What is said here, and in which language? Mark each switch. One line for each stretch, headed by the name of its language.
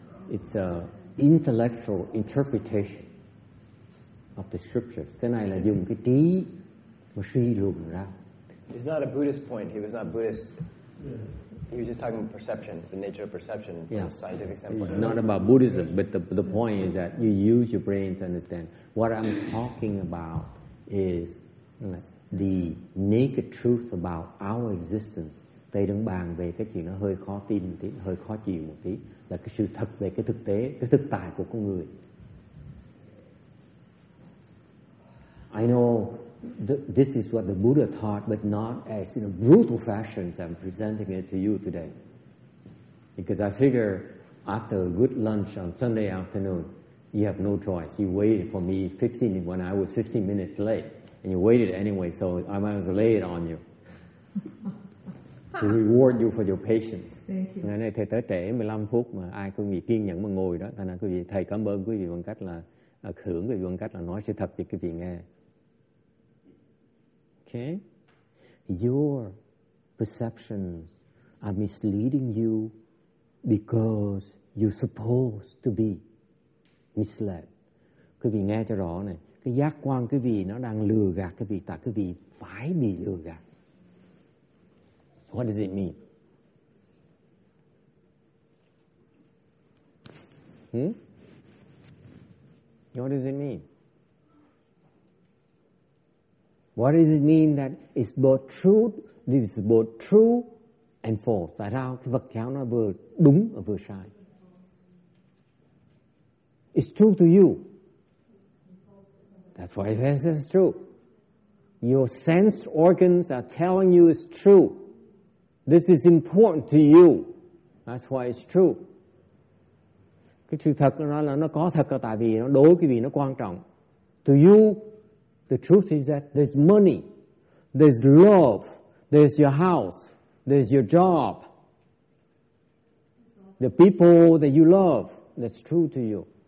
English: It's a intellectual interpretation of the scriptures.
Vietnamese: Cái này là dùng cái trí mà suy luận ra.
English: It's not a Buddhist point. He was not Buddhist. He was just talking about perception, the nature of perception, scientific standpoint. It's not about Buddhism, but the point is that you use your brain to understand. What I'm talking about is the naked truth about our existence.
Vietnamese: Thầy đang bàn về cái chuyện nó hơi khó tin một tí, hơi khó chịu một tí, là cái sự thật về cái thực tế, cái thực tại của con người.
English: I know this is what the Buddha taught, but not as in a brutal fashion as I'm presenting it to you today. Because I figure after a good lunch on Sunday afternoon, you have no choice. You waited for me when I was 15 minutes late, and you waited anyway, so I might as well lay it on you. to reward you for your patience. Thank you.
Vietnamese: Ngày nay thầy tới trễ 15 phút mà ai quý vị kiên nhẫn mà ngồi đó, thành ra quý vị thầy cảm ơn quý vị bằng cách là hưởng quý vị bằng cách là nói sự thật cho quý vị nghe.
English: Okay, your perceptions are misleading you because you're supposed to be misled.
Vietnamese: Quý vị nghe cho rõ này, cái giác quan quý vị nó đang lừa gạt quý vị, tại quý vị phải bị lừa gạt.
English: What does it mean? What does it mean? What does it mean that it's both truth, it's both true and false?
Vietnamese: Tại sao cái vật khéo nó vừa đúng và vừa sai?
English: It's true to you. That's why it says it's true. Your sense organs are telling you it's true. This is important to you. That's why it's true.
Vietnamese: Cái sự thật nó là nó có thật tại vì nó đối với vì nó quan trọng.
English: To you, the truth is that there's money, there's love, there's your house, there's your job, the people that you love, that's true to you.